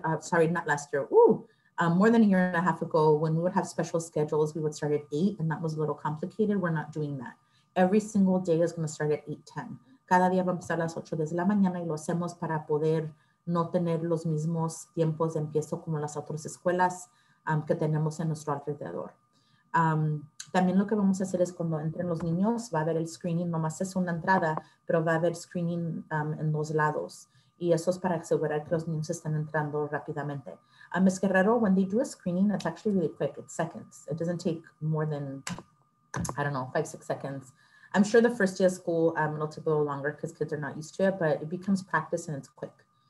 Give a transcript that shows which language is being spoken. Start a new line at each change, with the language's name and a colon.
English: More than a year and a half ago, when we would have special schedules, we would start at 8, and that was a little complicated. We're not doing that. Every single day is going to start at 8:10.
Spanish: Cada día va a empezar a las 8 de la mañana, y lo hacemos para poder no tener los mismos tiempos de empiezo como las otras escuelas que tenemos en nuestro alrededor. También lo que vamos a hacer es cuando entren los niños, va a haber el screening, nomás es una entrada, pero va a haber screening en dos lados. Y eso es para asegurar que los niños están entrando rápidamente.
English: Ms. Guerrero, when they do a screening, it's actually really quick. It's seconds. It doesn't take more than, I don't know, 5-6 seconds. I'm sure the first day of school, it'll take a little longer because kids are not used to it, but it becomes practice and it's quick.